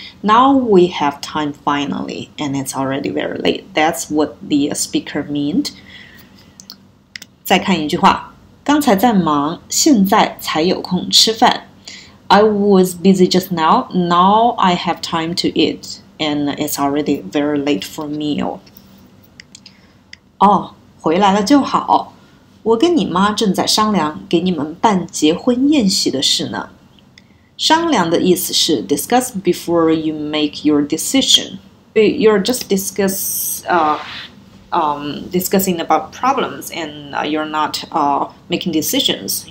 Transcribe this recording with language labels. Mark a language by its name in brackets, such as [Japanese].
[English] Now we have time finally, and it's already very late. That's what the speaker meant. [Chinese] 再看一句话，刚才在忙，现在才有空吃饭。 [English] I was busy just now, now I have time to eat, and it's already very late for meal. [Chinese] 哦，回来了就好。我跟你妈正在商量给你们办结婚宴席的事呢。商量的意思是 [English] discuss before you make your decision. You're just discussing about problems and you're not making decisions.